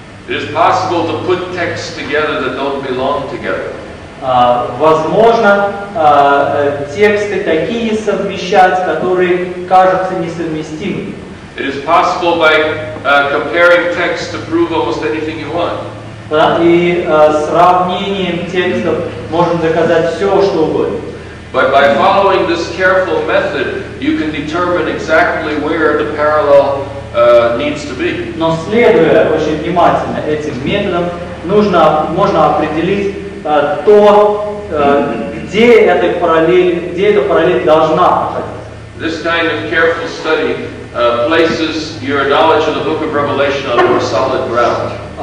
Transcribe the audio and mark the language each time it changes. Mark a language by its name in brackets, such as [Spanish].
[English] It is possible to put texts together that don't belong together. [Russian] Возможно, тексты такие совмещать, которые кажутся несовместимыми. [English] It is possible by comparing texts to prove almost anything you want. [Russian] Да? И сравнением текстов можем доказать все, что угодно. [English] But by following this careful method, you can determine exactly where the parallel needs to be. [Russian] Но следуя очень внимательно этим методам, нужно можно определить то, где эта параллель, где эта параллель должна проходить. [English] This kind of careful study places your knowledge of the Book of Revelation on more solid ground.